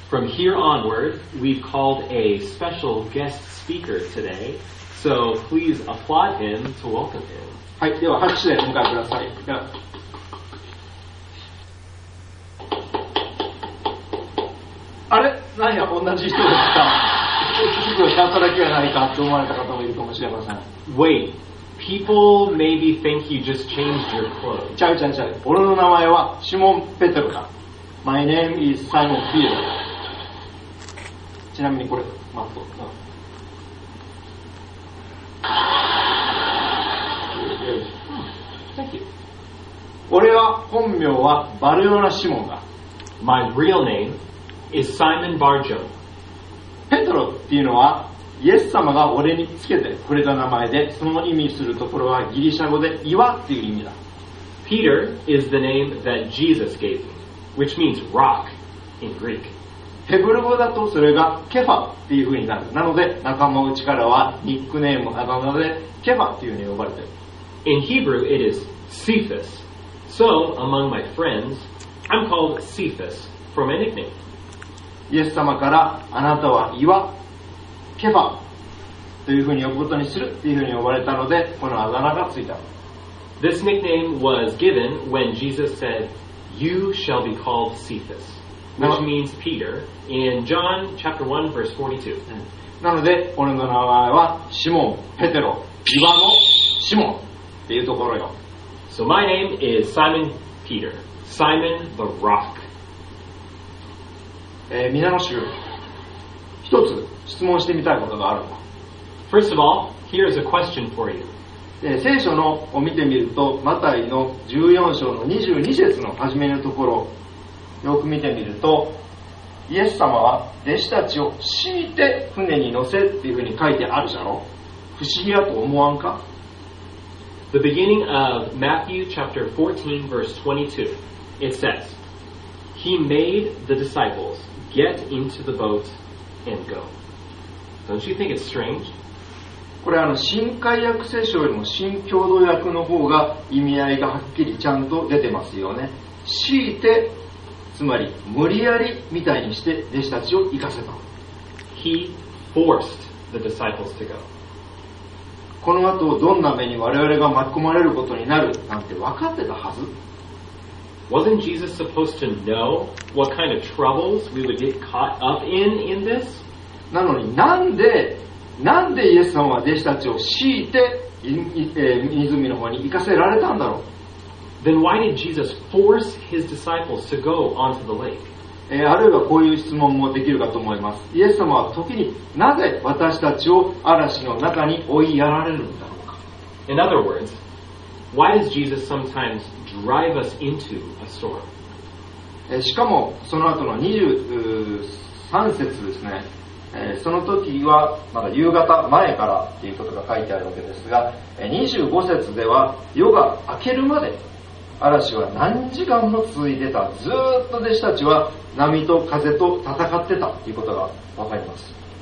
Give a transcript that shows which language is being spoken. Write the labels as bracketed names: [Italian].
[English] From here onward, we've called a special guest speaker today, so please applaud him to welcome him. [Japanese] はい、では拍手でお迎えください。では。あれ何や同じ人ですか。すぐ働きはないかと思われた方もいるかもしれません。 [English] Wait, people maybe think you just changed your clothes. [Japanese] ちゃうちゃうちゃう。俺の名前はシモン・ペテロか。 [English] My name is Simon Peter. [Japanese] ちなみにこれ、マット。 [English] Good, good. Thank you. [Japanese] 俺は本名はバルヨナ・シモンだ。 [English] My real name? Is Simon Barjo. [Japanese] ペトロっていうのはイエス様が俺につけてくれた名前で、その意味するところはギリシャ語で岩っていう意味だ。 [English] Peter is the name that Jesus gave me, which means rock in Greek. [Japanese] ヘブル語だとそれがケファっていう風になる。なので仲間内からはニックネームなのでケファっていう風に呼ばれてる。 [English] In Hebrew it is Cephas. So among my friends, I'm called Cephas from a nickname. [Japanese] イエス様からあなたは岩、ケファというふうに呼ぶことにするというふうに呼ばれたので、このあだ名がついた。 [English] This nickname was given when Jesus said, You shall be called Cephas, which means Peter, in John chapter 1, verse 42. [Japanese] なので、俺の名前はシモン、ペテロ、岩のシモンっていうところよ。 [English] So my name is Simon Peter, Simon the Rock. [Japanese] 皆の衆、一つ質問してみたいことがあるの。 [English] First of all, here is a question for you. [Japanese] 聖書のを見てみると、マタイの14章の22節の初めのところ、よく見てみると、イエス様は弟子たちを強いて船に乗せっていうふうに書いてあるじゃろ。不思議だと思わんか [English] ?The beginning of Matthew chapter 14, verse 22, it says,He made the disciples get into the boat and go. Don't you think it's strange? [Japanese] これあの新改訳聖書よりも新共同訳の方が意味合いがはっきりちゃんと出てますよね。強いて、つまり無理やりみたいにして弟子たちを行かせた。 [English] He forced the disciples to go。 [Japanese] この後どんな目に我々が巻き込まれることになるなんて分かってたはず。 [English] Wasn't Jesus supposed to know what kind of troubles we would get caught up in this? [Japanese] なのになんでイエス様は弟子たちを強いて湖の方に行かせられたんだろう。 [English] Then why did Jesus force his disciples to go onto the lake? [Japanese] あるいはこういう質問もできるかと思います。イエス様は時になぜ私たちを嵐の中に追いやられるんだろうか。 [English] In other words, why does Jesus sometimes drive us into a storm? [Japanese] しかもその後の23節ですね。その時はまだ夕方前からということが書いてあるわけですが、25節では夜が明けるまで嵐は何時間も続いてた。ずっと弟子たちは波と風と戦ってたということがわかります。